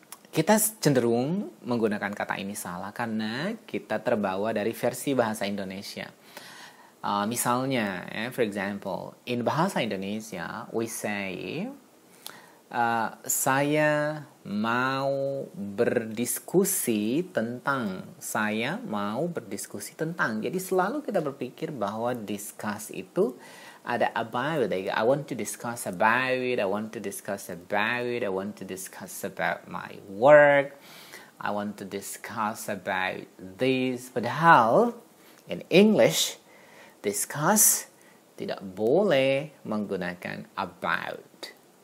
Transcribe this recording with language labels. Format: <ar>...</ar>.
<id>Kita cenderung menggunakan kata ini salah karena kita terbawa dari versi bahasa Indonesia. Misalnya,</id> <en>for example, in</en> <id>bahasa Indonesia,</id> <en>we say,</en> <id>saya mau berdiskusi tentang, saya mau berdiskusi tentang. Jadi selalu kita berpikir bahwa discuss itu ada about,</id> <en>like, I want to discuss about it, I want to discuss about it, I want to discuss about my work, I want to discuss about this.</en> <id>Padahal</id> <en>in English,</en> <id>discuss tidak boleh menggunakan about.</id>